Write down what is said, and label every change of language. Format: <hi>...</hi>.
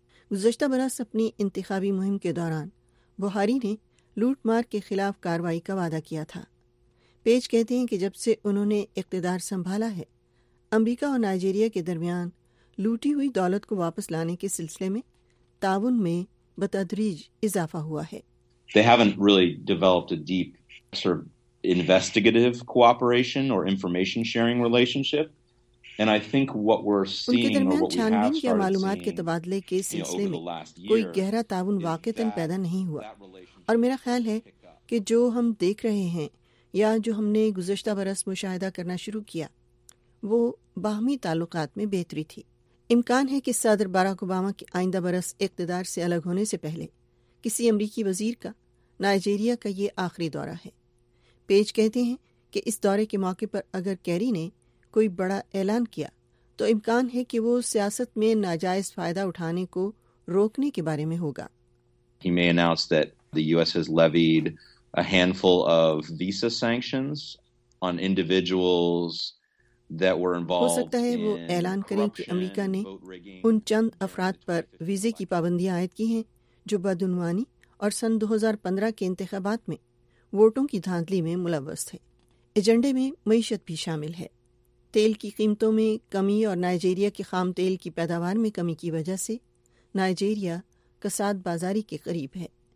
<ur>گزشتہ برس اپنی انتخابی مہم کے دوران بوہاری نے لوٹ مار کے خلاف کارروائی کا وعدہ کیا تھا. پیج کہتے ہیں کہ جب سے انہوں نے اقتدار سنبھالا ہے امریکہ اور نائجیریا کے درمیان لوٹی ہوئی دولت کو واپس لانے کے سلسلے میں تعاون میں بتدریج اضافہ ہوا ہے.</ur> <en>They haven't really developed a deep sort of investigative cooperation or information sharing relationship. And I think what we're seeing or what we have started seeing</en> <ur>in معلومات کے تبادلے کے سلسلے میں کوئی گہرا تعاون واقعتاً پیدا نہیں ہوا، اور میرا خیال ہے کہ جو ہم دیکھ رہے ہیں یا جو ہم نے گزشتہ برس مشاہدہ کرنا شروع کیا وہ باہمی تعلقات میں بہتری تھی. امکان ہے کہ صدر باراک اوباما کے آئندہ برس اقتدار سے الگ ہونے سے پہلے کسی امریکی وزیر کا نائجیریا کا یہ آخری دورہ ہے. پیج کہتے ہیں کہ اس دورے کے موقع پر اگر کیری نے کوئی بڑا اعلان کیا تو امکان ہے کہ وہ سیاست میں ناجائز فائدہ اٹھانے کو روکنے کے بارے میں ہوگا.</ur> <en>He may announce that the US has levied a handful of visa sanctions on individuals that were involved.</en> <ur>ہو سکتا ہے وہ اعلان کریں کہ امریکہ نے ان چند افراد پر ویزے کی پابندیاں عائد کی ہیں جو بدعنوانی اور سن 2015 کے انتخابات میں ووٹوں کی دھاندلی میں ملوث تھے. ایجنڈے میں معیشت بھی شامل ہے. تیل کی قیمتوں میں کمی اور نائجیریا کے خام تیل کی پیداوار میں کمی کی وجہ سے نائجیریا کساد بازاری کے قریب ہے.</ur>